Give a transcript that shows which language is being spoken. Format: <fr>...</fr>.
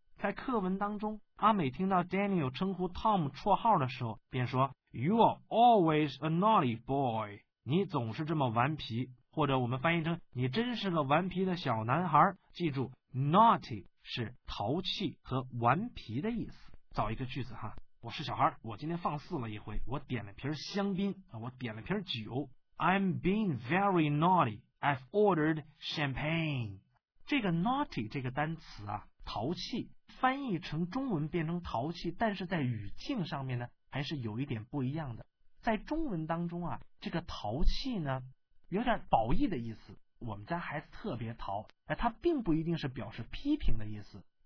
<zh>在课文当中，阿美听到 Daniel 称呼 Tom 绰号的时候便说</zh> <en>You are always a naughty boy，</en> <zh>你总是这么顽皮，或者我们翻译成你真是个顽皮的小男孩。记住Naughty 是淘气和顽皮的意思。造一个句子哈，我是小孩，我今天放肆了一回，我点了瓶香槟，我点了瓶酒。</zh> <en>I'm being very naughty, I've ordered champagne.</en> <zh>这个 naughty 这个单词啊，淘气，翻译成中文变成淘气，但是在语境上面呢还是有一点不一样的。在中文当中啊，这个淘气呢有点褒义的意思，我们家孩子特别淘，它并不一定是表示批评的意思，</zh>